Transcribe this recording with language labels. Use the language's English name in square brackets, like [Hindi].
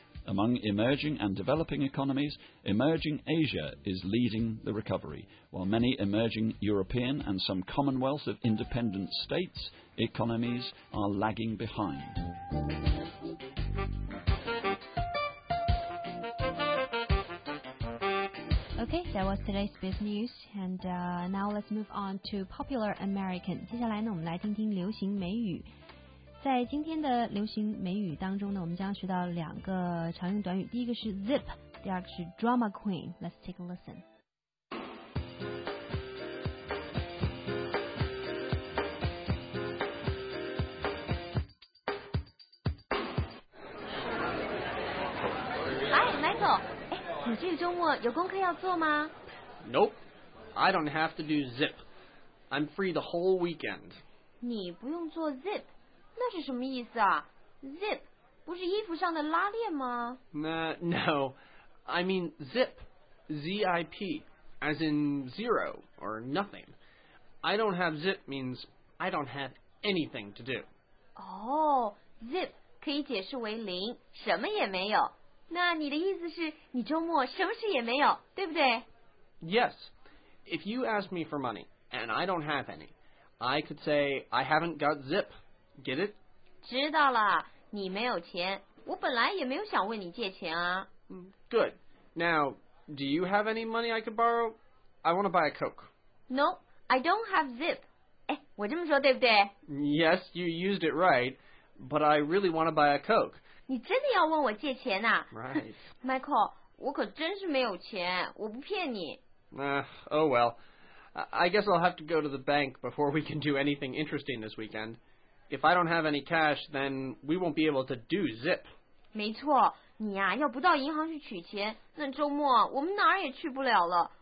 [English] Among emerging and developing economies, emerging Asia is leading the recovery, while many emerging European and some Commonwealth of Independent States economies are lagging behind. Okay, that was today's Biz News, and now let's move on to Popular American. [Chinese] 接下来呢，我们来听听流行美语。在今天的流行美语当中呢，我们将学到两个常用短语，第一个是 zip， 第二个是 drama queen。 [English] Let's take a listen。 [Chinese] Hi Michael， 你这个周末有功课要做吗？ [English] Nope， I don't have to do zip， I'm free the whole weekend. [Chinese] 你不用做 zip, 那是什么意思啊?Zip, 不是衣服上的拉链吗? [English] No, I mean zip, Z-I-P, as in zero or nothing. I don't have zip means I don't have anything to do. [Chinese] Oh, zip 可以解释为零,什么也没有。那你的意思是你周末什么事也没有,对不对? [English] Yes, if you ask me for money, and I don't have any,I could say, I haven't got zip. Get it? [Chinese] 知道了,你没有钱。我本来也没有想问你借钱啊。 [English] Good. Now, do you have any money I could borrow? I want to buy a Coke. No, I don't have zip. [Chinese] 哎,我这么说对不对? [English] Yes, you used it right, but I really want to buy a Coke. [Chinese] 你真的要问我借钱啊? [English] Right. [Chinese] Michael, 我可真是没有钱,我不骗你。 [English] Oh well. I guess I'll have to go to the bank before we can do anything interesting this weekend. If I don't have any cash, then we won't be able to do zip. [Chinese] 没错，你呀，要不到银行去取钱，那周末我们哪儿也去不了了。